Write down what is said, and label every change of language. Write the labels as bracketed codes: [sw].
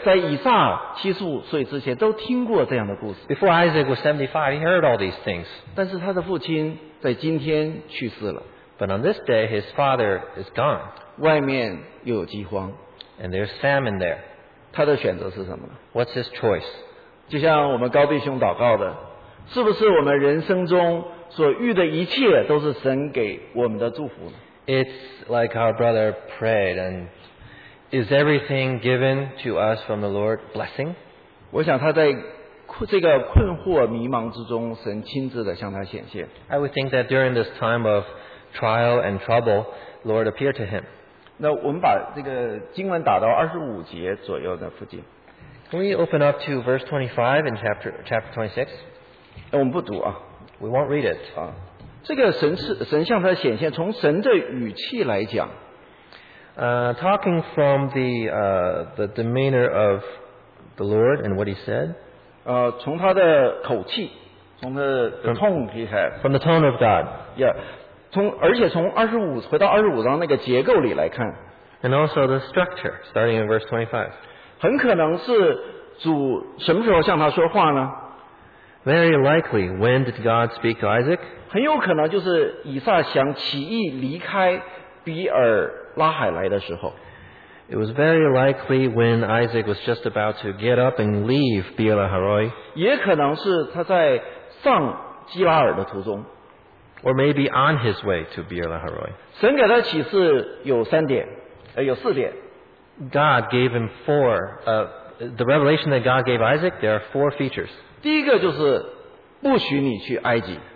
[zh] 在以撒75岁之前都听过这样的故事 [en] Before Isaac was 75, he heard all these things. [zh] 但是他的父亲在今天去世了 [en] But on this day, his father is gone. [zh] 外面又有饥荒 [en] And there's famine there. [zh] 他的选择是什么呢 [en] What's his choice? [zh] 就像我们高弟兄祷告的是不是我们人生中所遇的一切都是神给我们的祝福呢 [en] It's like our brother prayed and is everything given to us from the Lord blessing? [zh] 我想他在这个困惑迷茫之中神亲自的向他显现 [en] I would think that during this time of trial and trouble Lord appeared to him [zh] 那我们把这个经文打到25节左右的附近 [en] Can we open up to verse 25 in chapter 26? [zh] 我们不读啊。 [en] We won't read it. [zh] 啊，这个神向他显现，从神的语气来讲。 [en] Talking from the demeanor of the Lord and what he said. [zh] 从他的口气，从他的 tone 离开。 [en] From the tone of God. Yeah. [zh] 而且从25章那个结构里来看。 [en] And also the structure, starting in verse 25. [zh] 很可能是主什么时候向他说话呢 [en] Very likely, when did God speak to Isaac? [zh] 很有可能就是以撒想起义离开比尔拉海来的时候 [en] It was very likely when Isaac was just about to get up and leave Beer Lahai [zh] 也可能是他在上基拉尔的途中 [en] Or maybe on his way to Beer Lahai [zh] 神给他启示有三点有四点 [en] God gave him four, the revelation that God gave Isaac, there are four features. [zh] 第一个就是不许你去埃及。